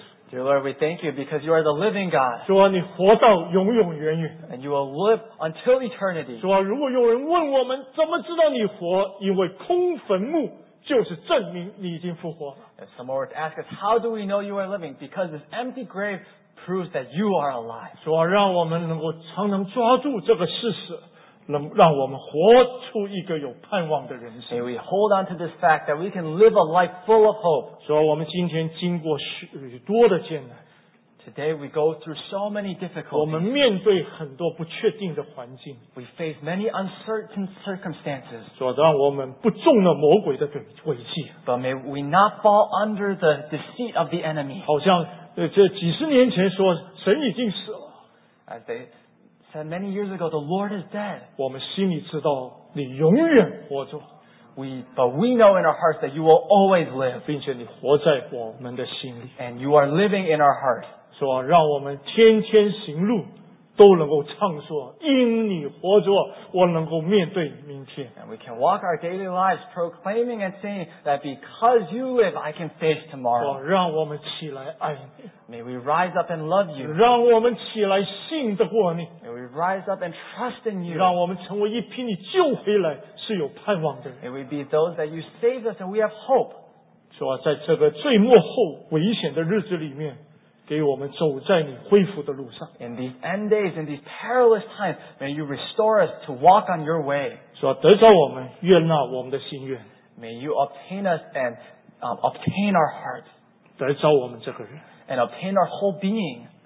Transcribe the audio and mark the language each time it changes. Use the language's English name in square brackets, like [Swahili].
[English] Dear Lord, we thank you because you are the living God. [Chinese] 主啊，你活到永永远远。 [English] And you will live until eternity. [Chinese] 主啊，如果有人问我们怎么知道你活，因为空坟墓就是证明你已经复活。 [English] If someone were to ask us, how do we know you are living? Because this empty grave proves that you are alive. [Chinese] 主啊，让我们能够常常抓住这个事实。让我们活出一个有盼望的人生。 [English] May we hold on to this fact that we can live a life full of hope. [Chinese] 所以我们今天经过许多的艰难。 [English] Today we go through so many difficulties. [Chinese] 我们面对很多不确定的环境。 [English] We face many uncertain circumstances. [Chinese] 所以让我们不中了魔鬼的诡计。 [English] But may we not fall under the deceit of the enemy. [Chinese] 好像这几十年前说神已经死了。 [English] As they said many years ago, the Lord is dead. [Chinese] 我们心里知道你永远活着。 [English] But we know in our hearts that you will always live. [Chinese] 并且你活在我们的心里。 [English] And you are living in our hearts. [Chinese] 是吧，让我们天天行路都能够畅说，因你活着，我能够面对明天。 [English] And we can walk our daily lives proclaiming and saying that because you live, I can face tomorrow. [Chinese] 让我们起来爱你。 [English] May we rise up and love you. [Chinese] 让我们起来信得过你。 [English] May we rise up and trust in you. [Chinese] 让我们成为一批你救回来是有盼望的人。 [English] May we be those that you saved us and we have hope. [Chinese] 是吧，在这个最末后危险的日子里面。给我们走在你恢复的路上。 [English] In these end days, in these perilous times, may you restore us to walk on your way. [Chinese] 主啊，得着我们，悦纳我们的心愿。 [English] May you obtain us and obtain our hearts. [Chinese] 得着我们这个人。 [English] And obtain our whole being.